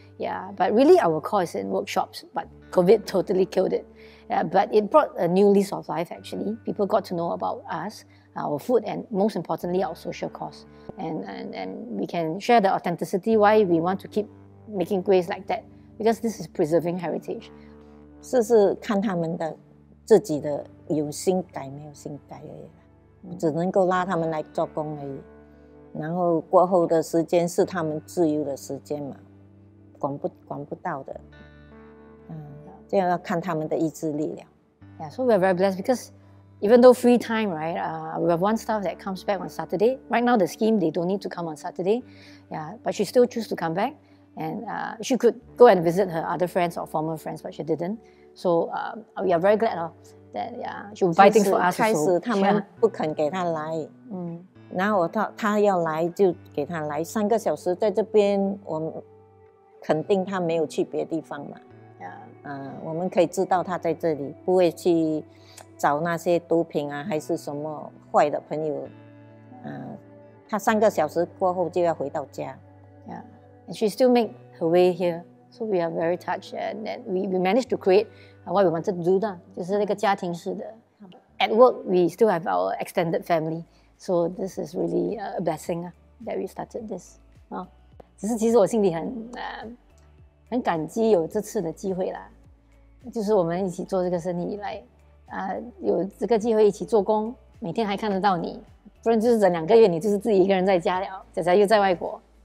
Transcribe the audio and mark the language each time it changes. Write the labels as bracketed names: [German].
[English] Yeah, but really our core is in workshops, but COVID totally killed it. Yeah, but it brought a new lease of life actually. People got to know about us, our food, and most importantly, our social cause. And we can share the authenticity why we want to keep making kueh like that, because this is preserving heritage. [Chinese] 是看他们的自己的有心改没有心改而已。只能够拉他们来做工而已，然后过后的时间是他们自由的时间嘛，管不到的，这样要看他们的意志力了。Yeah, [English] so we are very blessed because even though free time, right? We have one staff that comes back on Saturday. Right now, the scheme they don't need to come on Saturday. Yeah, but she still choose to come back, and she could go and visit her other friends or former friends, but she didn't. So we are very glad that she will buy things for us. [Chinese] 开始他们不肯给他来。然后我他要来就给他来 3个小时在这边 我肯定他没有去别地方嘛 我们可以知道他在这里 不会去找那些毒品啊 还是什么坏的朋友 他3个小时过后就要回到家 [English] And she still make her way here. So we are very touched and then we managed to create what we wanted to do that. [Chinese] 就是那个家庭式的 [English] At work, we still have our extended family. So this is really a blessing that we started this. [Chinese] 只是其实我心里很感激有这次的机会啦 就是我们一起做这个生意以来 有这个机会一起做工 每天还看得到你 不然就是整两个月你就是自己一个人在家了 姐姐又在外国